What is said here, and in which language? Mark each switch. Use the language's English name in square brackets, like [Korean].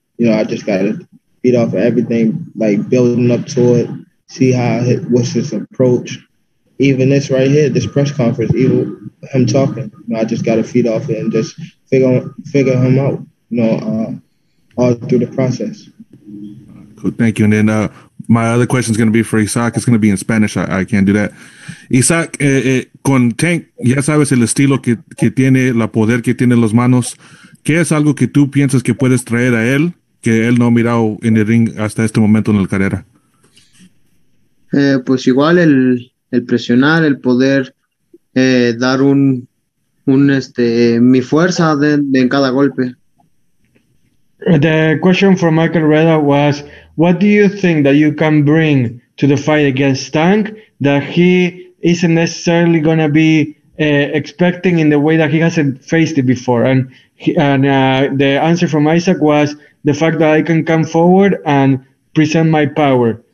[English] You know, I just gotta feed off of everything, like building up to it, see how what's his approach. Even this right here, this press conference, even him talking, you know, I just gotta feed off it and just figure him out, you know, all through the process. Cool, thank you. And then my other question is going to be for Isaac. It's going to be in Spanish. I can't do that. [Spanish] Isaac, con Tank, ya sabes el estilo que tiene, la poder que tiene los manos. ¿Qué es algo que tú piensas que puedes traer a él que él no ha mirado en el ring hasta este momento en la carrera? Pues igual el presionar, el poder dar mi fuerza de en cada golpe. [English] The question from Michael Reda was, what do you think that you can bring to the fight against Tank that he isn't necessarily going to be expecting in the way that he hasn't faced it before? And the answer from Isaac was the fact that I can come forward and present my power.